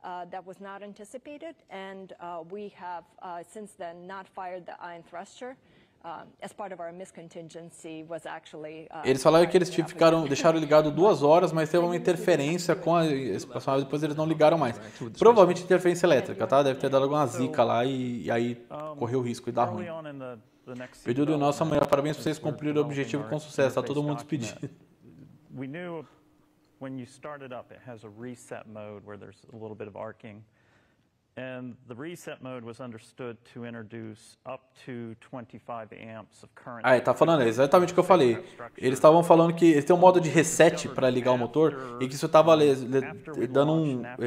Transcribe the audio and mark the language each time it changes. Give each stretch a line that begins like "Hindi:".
English: That was not anticipated and we have since then not fired the ion thruster. As part of our miscontingency was actually,
Portuguese: eles falaram que eles ficaram, deixaram ligado 2 horas, mas teve uma interferência com a espaçonave, depois eles não ligaram mais. Provavelmente interferência elétrica, tá? Deve ter dado alguma zica lá e aí correu o risco de dar ruim. Pedido nosso amanhã, parabéns por vocês cumprirem o objetivo com sucesso, tá todo mundo despedido.
English: Reset mode, where there's a little bit of arcing. And the reset mode was understood to introduce up to 25 amps of current.
Portuguese: Ah, ele tá falando exatamente o que eu falei. Eles estavam falando que eles têm um modo de reset para ligar o motor e que isso estava dando um.